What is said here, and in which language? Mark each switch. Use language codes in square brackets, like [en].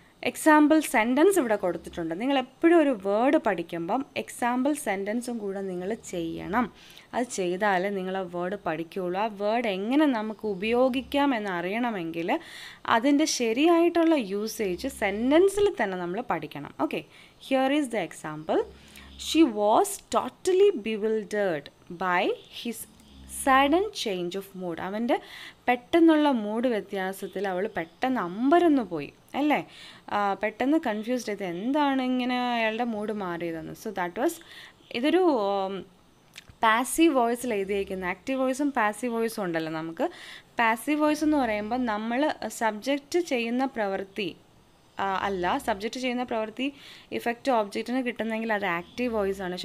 [ml] Example sentence ഇവിടെ കൊടുത്തിട്ടുണ്ട്. നിങ്ങൾ എപ്പോഴും ഒരു വേർഡ് പഠിക്കുമ്പം എക്സാമ്പിൾ സെൻറ്റൻസും കൂടെ നിങ്ങൾ ചെയ്യണം. അത് ചെയ്താലേ നിങ്ങൾ ആ വേർഡ് പഠിക്കുകയുള്ളൂ. ആ വേർഡ് എങ്ങനെ നമുക്ക് ഉപയോഗിക്കാം എന്നറിയണമെങ്കിൽ അതിൻ്റെ ശരിയായിട്ടുള്ള യൂസേജ് സെൻറ്റൻസിൽ തന്നെ നമ്മൾ പഠിക്കണം. [en] Okay, here is the example. She was totally bewildered by his sudden change of mood. [ml] അവൻ്റെ പെട്ടെന്നുള്ള മൂഡ് വ്യത്യാസത്തിൽ അവൾ പെട്ടെന്ന് അമ്പരന്ന് പോയി അല്ലേ, പെട്ടെന്ന് കൺഫ്യൂസ്ഡ് ചെയ്ത് എന്താണ് ഇങ്ങനെ അയാളുടെ മൂഡ് മാറിയതെന്ന്. [en] so that was, [ml] ഇതൊരു പാസീവ് വോയിസിൽ എഴുതിയേക്കുന്നത്. ആക്റ്റീവ് വോയിസും പാസീവ് വോയിസും ഉണ്ടല്ലോ നമുക്ക്. പാസീവ് വോയിസ് എന്ന് പറയുമ്പോൾ നമ്മൾ സബ്ജക്റ്റ് ചെയ്യുന്ന പ്രവൃത്തി അല്ല, സബ്ജക്റ്റ് ചെയ്യുന്ന പ്രവൃത്തി ഇഫക്റ്റ് ഓബ്ജക്റ്റിന് കിട്ടുന്നെങ്കിൽ അത് ആക്റ്റീവ് വോയിസ് ആണ്.